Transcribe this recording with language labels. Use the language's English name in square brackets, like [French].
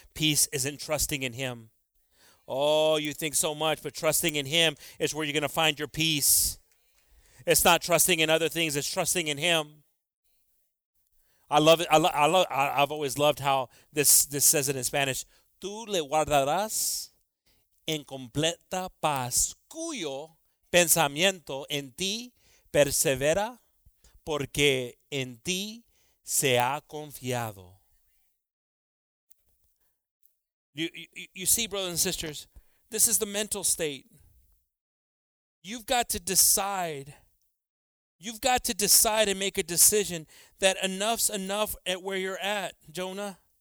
[English] Peace isn't trusting in him. Oh, you think so much, but trusting in him is where you're going to find your peace. It's not trusting in other things. It's trusting in him. I love it. I've always loved how this says it in Spanish. [Spanish] Tú le guardarás en completa paz, cuyo pensamiento en ti persevera, porque en ti se ha confiado. [English] You see, brothers and sisters, this is the mental state. You've got to decide. You've got to decide and make a decision that enough's enough at where you're at, Jonah.